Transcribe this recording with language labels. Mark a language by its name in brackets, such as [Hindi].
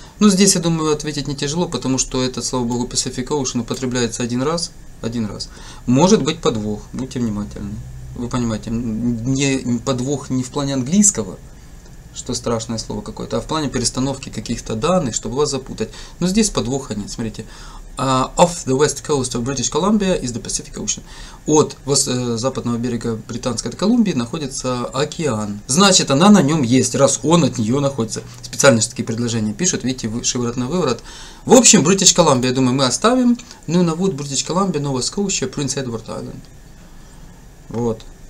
[Russian] Ну здесь, я думаю, ответить не тяжело, потому что этот, слава богу, Pacific Ocean употребляется один раз. Может быть подвох, будьте внимательны. Вы понимаете, не подвох не в плане английского, что страшное слово какое-то, а в плане перестановки каких-то данных, чтобы вас запутать. Но здесь подвоха нет, смотрите. [English] Off the west coast of British Columbia is the Pacific Ocean. [Russian] От западного берега Британской Колумбии находится океан. Значит, она на нем есть, раз он от нее находится. Специально же такие предложения пишут, видите, шиворот на выворот. В общем, British Columbia, я думаю, мы оставим. Ну и на вот British Columbia, Nova Scotia, Prince Edward Island. Вот.